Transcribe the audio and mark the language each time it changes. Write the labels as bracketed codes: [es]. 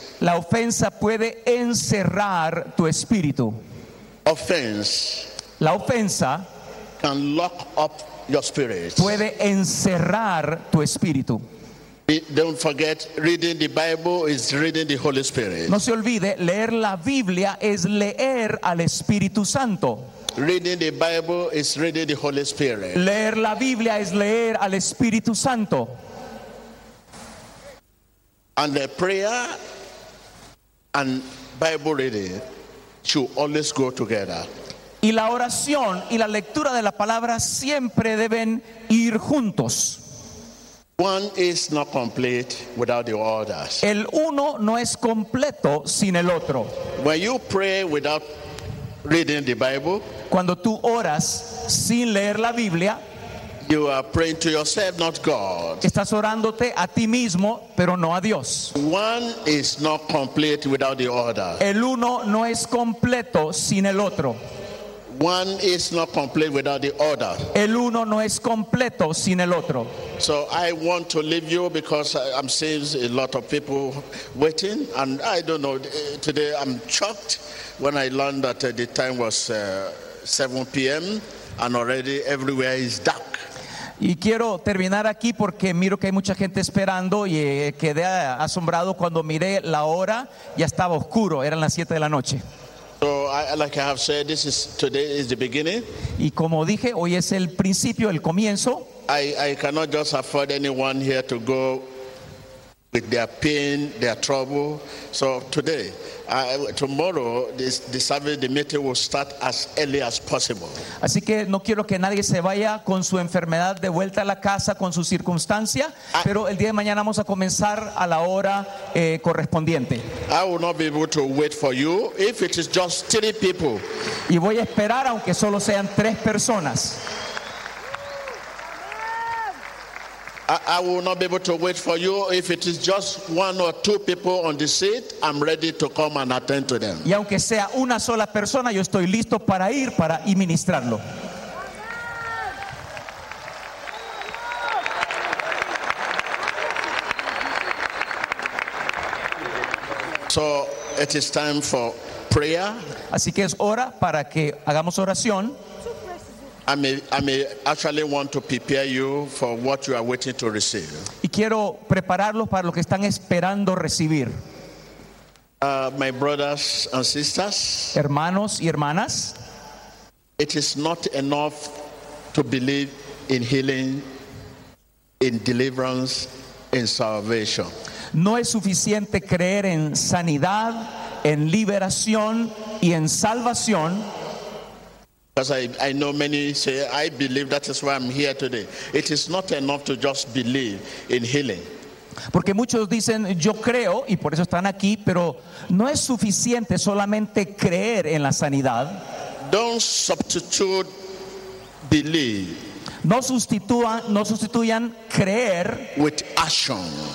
[es] La ofensa puede encerrar tu espíritu. [en] Offense. [es] La ofensa [en] can lock up your spirit. [es] Puede encerrar tu espíritu. [en] Don't forget, reading the Bible is reading the Holy Spirit. [es] No se olvide, leer la Biblia es leer al Espíritu Santo. [en] Reading the Bible is reading the Holy Spirit. [es] Leer la Biblia es leer al Espíritu Santo. [en] And the prayer and Bible reading should always go together. [es] Y la oración y la lectura de la palabra siempre deben ir juntos. [en] One is not complete without the others. [es] El uno no es completo sin el otro. [en] When you pray without reading the Bible, [es] cuando tú oras sin leer la Biblia, [en] you are praying to yourself, not God. [es] Estás orándote a ti mismo, pero no a Dios. [en] One is not complete without the other. [es] El uno no es completo sin el otro. [en] One is not complete without the other. [es] El uno no es completo sin el otro. [en] So I want to leave you because I'm seeing a lot of people waiting, and I don't know, today I'm shocked when I learned that the time was 7 p.m. and already everywhere is dark. [es] Y quiero terminar aquí porque miro que hay mucha gente esperando y quedé asombrado cuando miré la hora, ya estaba oscuro, eran las 7 de la noche. [en] So, like I have said, this is today is the beginning. [es] Y como dije, hoy es el principio, el comienzo. [en] I cannot just afford anyone here to go with their pain, their trouble. So today, tomorrow, the service, the meeting will start as early as possible. [es] Así que no quiero que nadie se vaya con su enfermedad de vuelta a la casa con su circunstancia, pero el día de mañana vamos a comenzar a la hora correspondiente. [en] I will not be able to wait for you if it is just three people. [es] Y voy a esperar aunque solo sean tres personas. [en] I will not be able to wait for you if it is just one or two people on the seat. I'm ready to come and attend to them. [es] Y aunque sea una sola persona, yo estoy listo para ir para y ministrarlo. [en] So it is time for prayer. [es] Así que es hora para que hagamos oración. [en] I may actually want to prepare you for what you are waiting to receive. [es] Y quiero prepararlos para lo que están esperando recibir. [en] My brothers and sisters, [es] hermanos y hermanas, [en] it is not enough to believe in healing, in deliverance, in salvation. [es] No es suficiente creer en sanidad, en liberación y en salvación. [en] Because I know many say, I believe, that is why I'm here today. It is not enough to just believe in healing. [es] Porque muchos dicen, yo creo, y por eso están aquí, pero no es suficiente solamente creer en la sanidad. [en] Don't substitute belief. [es] No sustituyan creer [en] with action.